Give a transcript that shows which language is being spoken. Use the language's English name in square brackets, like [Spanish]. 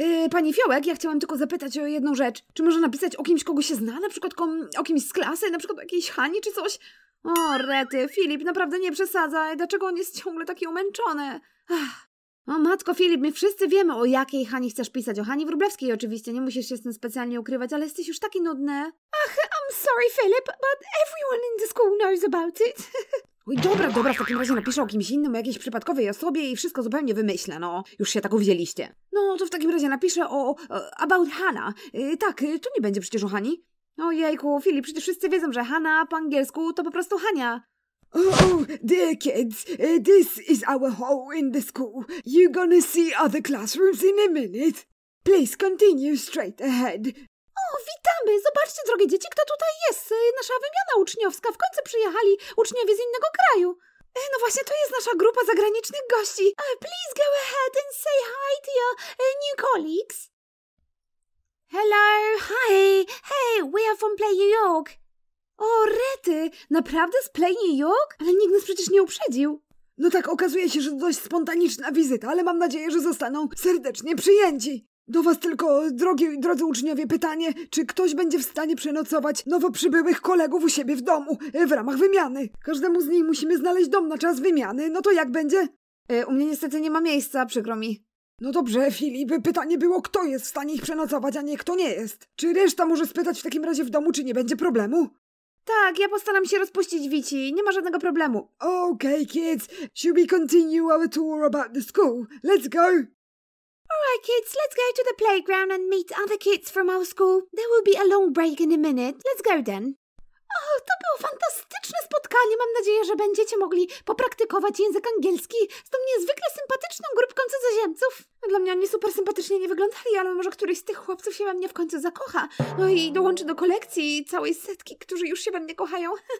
[Polish] Pani Fiołek, ja chciałam tylko zapytać o jedną rzecz. Czy można napisać o kimś, kogo się zna? Na przykład o kimś z klasy, na przykład o jakiejś Hani czy coś? O, Rety, Filip, naprawdę nie przesadzaj. Dlaczego on jest ciągle taki umęczony? O matko, Filip, my wszyscy wiemy, o jakiej Hani chcesz pisać. O Hani Wróblewskiej oczywiście, nie musisz się z tym specjalnie ukrywać, ale jesteś już taki nudny. [English] Ach, I'm sorry, Filip, but everyone in the school knows about it. [Polish] Oj, dobra, dobra, w takim razie napiszę o kimś innym, o jakiejś przypadkowej osobie i wszystko zupełnie wymyślę, no. Już się tak uwzięliście. No, to w takim razie napiszę o... [English] about Hannah. [Polish] Tak, tu nie będzie przecież o Hani. Ojejku, Filip, przecież wszyscy wiedzą, że Hannah po angielsku to po prostu Hania. [English] Oh, dear kids, this is our hall in the school. You're gonna see other classrooms in a minute. Please continue straight ahead. [Polish] O, witamy! Zobaczcie, drogie dzieci, kto tutaj jest! Nasza wymiana uczniowska! W końcu przyjechali uczniowie z innego kraju! No właśnie, to jest nasza grupa zagranicznych gości! [English] Please go ahead and say hi to your new colleagues! Hello! Hi! Hey, we are from Play New York! [Polish] O, Rety! Naprawdę z Play New York? Ale nikt nas przecież nie uprzedził! No tak, okazuje się, że to dość spontaniczna wizyta, ale mam nadzieję, że zostaną serdecznie przyjęci! Do was tylko, drodzy uczniowie, pytanie, czy ktoś będzie w stanie przenocować nowo przybyłych kolegów u siebie w domu w ramach wymiany? Każdemu z nich musimy znaleźć dom na czas wymiany, no to jak będzie? U mnie niestety nie ma miejsca, przykro mi. No dobrze, Filip, pytanie było, kto jest w stanie ich przenocować, a nie kto nie jest. Czy reszta może spytać w takim razie w domu, czy nie będzie problemu? Tak, ja postaram się rozpuścić Wici, nie ma żadnego problemu. [English] Okay, kids, should we continue our tour about the school? Let's go! Alright kids, let's go to the playground and meet other kids from our school. There will be a long break in a minute. Let's go then. [Polish] Oh, to było fantastyczne spotkanie. Mam nadzieję, że będziecie mogli popraktykować język angielski z tą niezwykle sympatyczną grupką cudzoziemców. Dla mnie oni super sympatycznie nie wyglądali, ale może któryś z tych chłopców się we mnie w końcu zakocha. No i dołączy do kolekcji całej setki, którzy już się we mnie kochają.